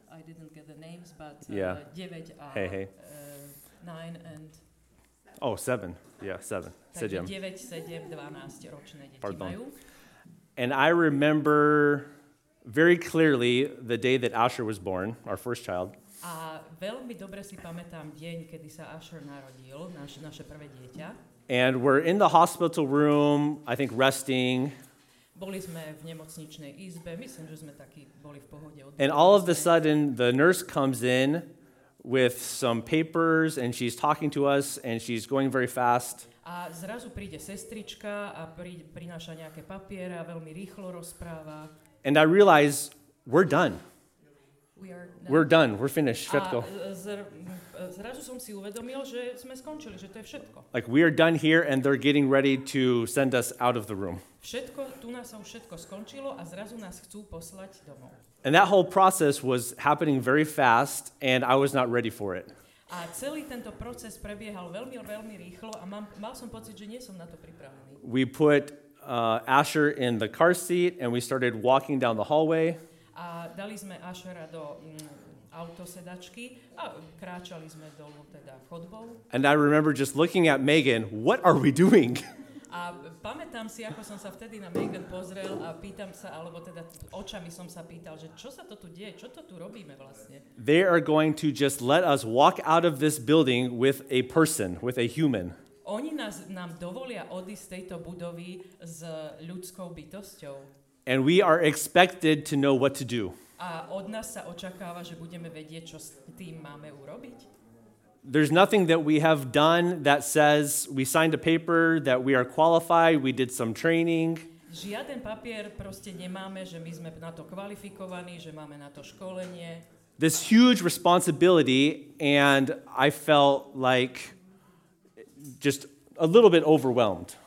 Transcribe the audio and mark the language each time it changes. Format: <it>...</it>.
<en>I didn't get the names, but 9 and... Oh, 7. Yeah, 7.</en> <sk>Takže 9, 7, 12 ročné deti. Pardon. Majú.</sk> <en>And I remember very clearly the day that Asher was born, our first child.</en> <sk>A veľmi dobre si pamätám deň, kedy sa Asher narodil, naše prvé dieťa.</sk> <en>And we're in the hospital room, I think resting.</en> <sk>Boli sme v nemocničnej izbe, myslím, že sme takí boli v pohode.</sk> <en>And all of a sudden the nurse comes in with some papers and she's talking to us and she's going very fast.</en> <sk>A zrazu príde sestrička a prináša nejaké papiere a veľmi rýchlo rozpráva.</sk> <en>And I realize we're done. We're done. We're finished.</en> <sk>Všetko. Zrazu som si uvedomil, že sme skončili, že to je všetko.</sk> <en>Like we are done here and they're getting ready to send us out of the room.</en> <sk>Všetko, tu nás sa už všetko skončilo a zrazu nás chcú poslať domov.</sk> <en>And that whole process was happening very fast and I was not ready for it.</en> <sk>A celý tento proces prebiehal veľmi, veľmi rýchlo a mal som pocit, že nie som na to pripravený.</sk> <en>We put Asher in the car seat and we started walking down the hallway.</en> <sk>A dali sme Ashera do autosedačky a kráčali sme dolu teda chodbou.</sk> <en>And I remember just looking at Megan, what are we doing?</en> <sk>A pamätám si, ako som sa vtedy na Megan pozrel a pýtam sa, alebo teda očami som sa pýtal, že čo sa to tu deje, čo to tu robíme vlastne?</sk> <en>They are going to just let us walk out of this building with a person, with a human.</en> <sk>Oni nám dovolia odísť z tejto budovy s ľudskou bytosťou.</sk> <en>And we are expected to know what to do.</en> <sk>A od nás sa očakáva, že budeme vedieť, čo s tým máme urobiť.</sk> <en>There's nothing that we have done that says we signed a paper that we are qualified, we did some training.</en> <sk>Žiaden papier proste nemáme, že my sme na to kvalifikovaní, že máme na to školenie.</sk> <en>This huge responsibility and I felt like just a little bit overwhelmed.</en>